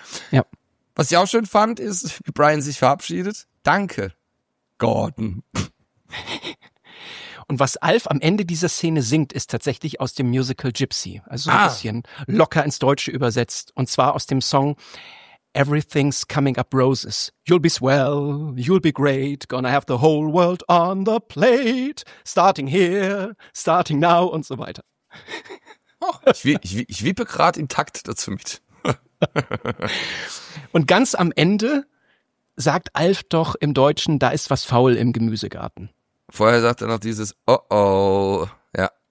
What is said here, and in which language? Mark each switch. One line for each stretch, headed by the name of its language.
German: Ja. Was ich auch schön fand, ist, wie Brian sich verabschiedet. Danke, Gordon. Und was Alf am Ende dieser Szene singt, ist tatsächlich aus dem Musical Gypsy. Also ein bisschen locker ins Deutsche übersetzt. Und zwar aus dem Song Everything's Coming Up Roses.
English: You'll be swell, you'll be great, gonna have the whole world on the plate. Starting here, starting now
German: und so weiter. Ich wippe gerade im Takt dazu mit. Und ganz am Ende sagt Alf doch im Deutschen, da ist was faul im Gemüsegarten. Vorher sagt er noch dieses Oh-oh, ja.